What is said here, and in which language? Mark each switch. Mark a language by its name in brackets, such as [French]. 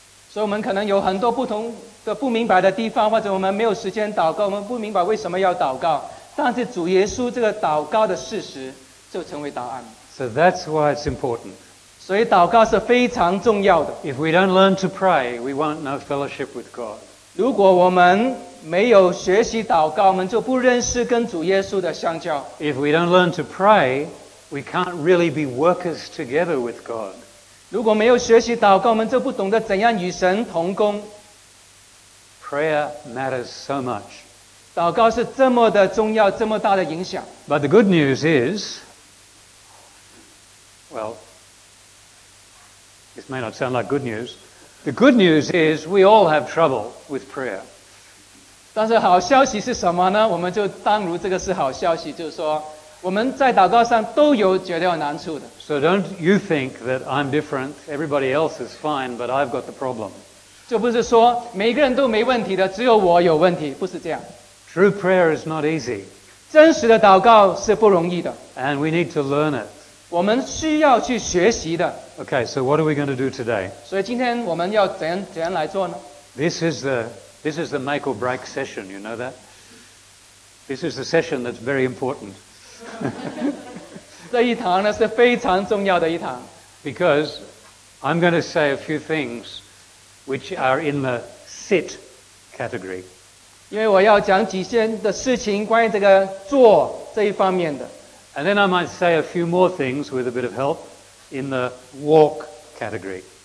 [Chinese] 所以我们可能有很多不同的不明白的地方，或者我们没有时间祷告，我们不明白为什么要祷告，但是主耶稣这个祷告的事实就成为答案。 [English] So that's why it's important. [Chinese] 所以祷告是非常重要的。 [English] If we don't learn to pray, we won't know fellowship with God. [Chinese] 如果我们没有学习祷告，我们就不认识跟主耶稣的相交。 [English] If we don't learn to pray, We can't really be workers together with God. [Chinese] 如果没有学习祷告, 我们就不懂得怎样与神同工。 [English] Prayer matters so much. [Chinese] 祷告是这么的重要, 这么大的影响。 [English] But the good news is, well, this may not sound like good news. The good news is we all have trouble with prayer. [Chinese] 但是好消息是什么呢? 我们就当如这个是好消息, 就是说, 我们在祷告上都有觉得有难处的。 [English] So don't you think that I'm different, everybody else is fine, but I've got the problem. [Chinese] 就不是说每个人都没问题的, 只有我有问题, 不是这样。 [English] True prayer is not easy. [Chinese] 真实的祷告是不容易的。 [English] And we need to learn it. [Chinese] 我们需要去学习的。 [English] Okay, so what are we going to do today? [Chinese] 所以今天我们要怎样来做呢? [English] This is the make or break session, you know that? This is the session that's very important. [Chinese] 这一堂呢是非常重要的一堂。 [English] Because I'm going to say a few things which are in the sit category. [Chinese] 因为我要讲几件的事情关于这个坐这一方面的。 [English] And then I might say a few more things with a bit of help in the walk category.